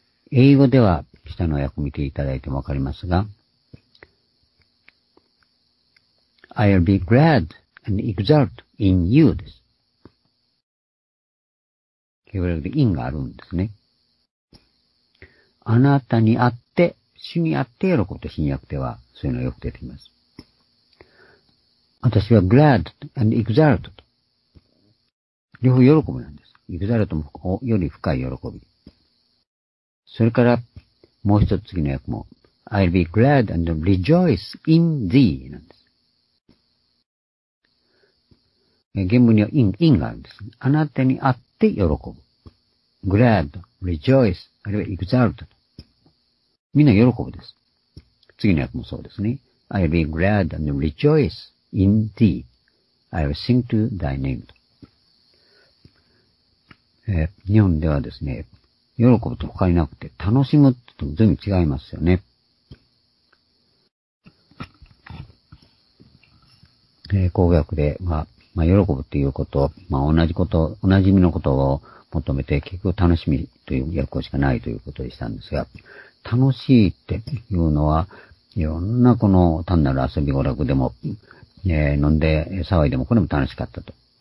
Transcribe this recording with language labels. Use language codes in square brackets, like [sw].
[ja] 英語では、下の訳を見ていただいてもわかりますが、 [en] I'll be glad and exult. in you [ja] です。ヘブライ語で in があるんですね。あなたに会って、主に会って喜ぶと、新約では、そういうのがよく出てきます。私は [en] glad and exalted。 [ja] 両方喜びなんです。 exalted もより深い喜び。それから、もう一つ次の訳も、 [en] I'll be glad and rejoice in thee [ja] なんです。原文には in があるんです。あなたに会って喜ぶ。 [en] glad, rejoice, [ja] あるいは [en] exalt. [ja] みんな喜ぶです。次の訳もそうですね。 [en] I'll be glad and rejoice in thee. I'll sing to thy name. [ja] 日本ではですね、喜ぶと他になくて、楽しむってと全部違いますよね。口語訳で、喜ぶっていうこと、同じこと、おなじみのことを求めて、結局楽しみという訳しかないということでしたんですが、楽しいっていうのは、いろんなこの単なる遊び娯楽でも、飲んで騒いでもこれも楽しかったと。